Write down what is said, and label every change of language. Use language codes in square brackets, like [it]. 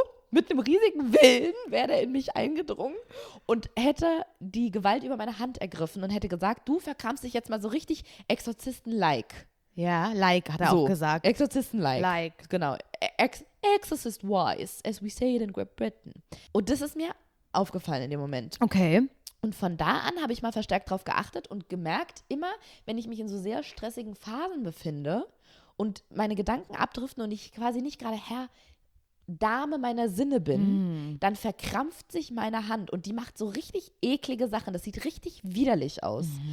[de] Mit einem riesigen Willen wäre der in mich eingedrungen und hätte die Gewalt über meine Hand ergriffen und hätte gesagt, du verkrampfst dich jetzt mal so richtig Exorzisten-like. Ja, like hat er auch gesagt. Exorzisten-like. [en] Like. [de] Genau. [en] Exorcist-wise, as we say it in Great Britain. [de] Und das ist mir aufgefallen in dem Moment. Okay. Und von da an habe ich mal verstärkt darauf geachtet und gemerkt, immer wenn ich mich in so sehr stressigen Phasen befinde und meine Gedanken abdriften und ich quasi nicht gerade Herr Dame meiner Sinne bin, dann verkrampft sich meine Hand und die macht so richtig eklige Sachen. Das sieht richtig widerlich aus.